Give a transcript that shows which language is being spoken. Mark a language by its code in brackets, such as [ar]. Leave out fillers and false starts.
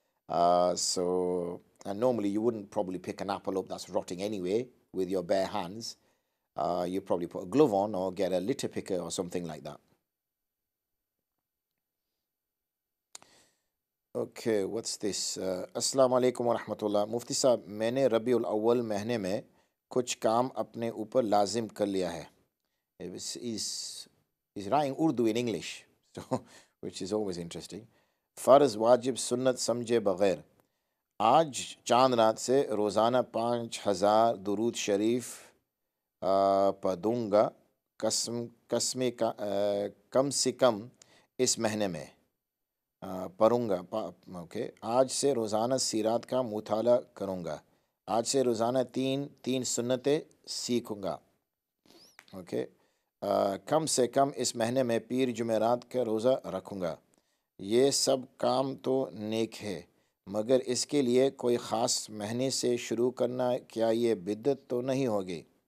[en] And normally you wouldn't probably pick an apple up that's rotting anyway with your bare hands. You'd probably put a glove on or get a litter picker or something like that. Okay, what's this? [ar] Assalamu alaikum wa rahmatullah. [ur] مفتی صاحب، میں نے ربیع الاول مہنے میں کچھ کام اپنے اوپر لازم کر لیا ہے۔ [en] He's writing Urdu in English, so which is always interesting. [ur] فرض، واجب، سنت، سمجھے بغیر۔ آج چاند رات سے روزانہ 5000 درود شریف پڑھوں گا قسمے کا کم سے کم اس مہینے میں پڑھوں گا اوکے آج سے روزانہ سیرت کا مطالعہ کروں گا آج سے روزانہ تین سنتیں سیکھوں گا اوکے کم سے کم اس مہینے میں پیر جمعرات کا روزہ رکھوں گا یہ سب کام تو نیک ہیں مگر اس کے لیے کوئی خاص مہینے سے شروع کرنا کیا یہ بدعت تو نہیں ہوگی۔